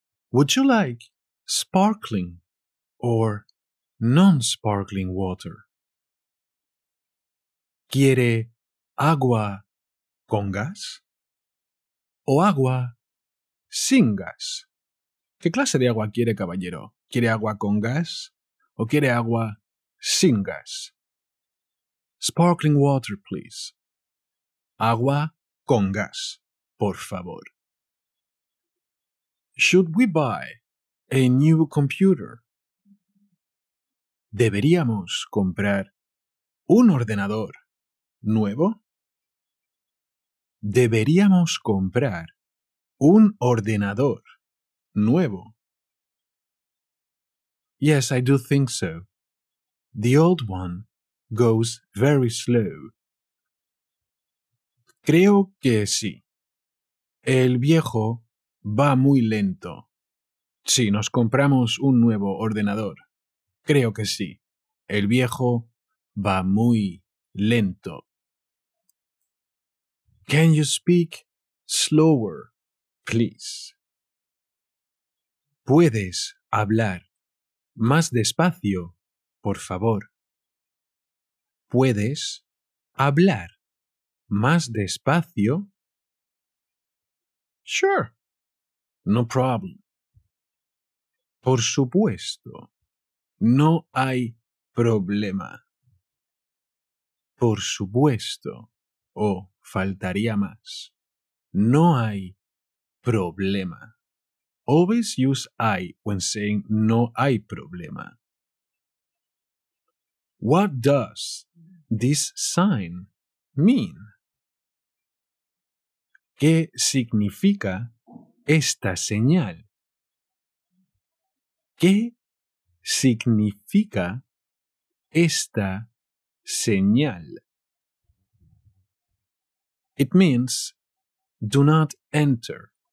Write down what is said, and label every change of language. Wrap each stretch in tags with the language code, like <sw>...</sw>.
<en>Would you like sparkling or non-sparkling water?</en> <es>¿Quiere agua con gas o agua sin gas? ¿Qué clase de agua quiere, caballero? ¿Quiere agua con gas o quiere agua sin gas?</es> <en>Sparkling water, please.</en> <es>Agua con gas, por favor.</es> <en>Should we buy a new computer?</en> <es>¿Deberíamos comprar un ordenador nuevo? ¿Deberíamos comprar un ordenador nuevo?</es> <en>Yes, I do think so. The old one goes very slow.</en> <es>Creo que sí. El viejo va muy lento. Sí, nos compramos un nuevo ordenador. Creo que sí. El viejo va muy lento.</es> <en>Can you speak slower, please?</en> <es>¿Puedes hablar más despacio, por favor? ¿Puedes hablar más despacio?</es> <en>Sure. No problem.</en> <es>Por supuesto. No hay problema. Por supuesto, o faltaría más. No hay problema.</es> <en>Always use I when saying</en> <es>no hay problema.</es> <en>What does this sign mean?</en> <es>¿Qué significa esta señal? ¿Qué significa esta señal?</es> <en>It means do not enter.</en>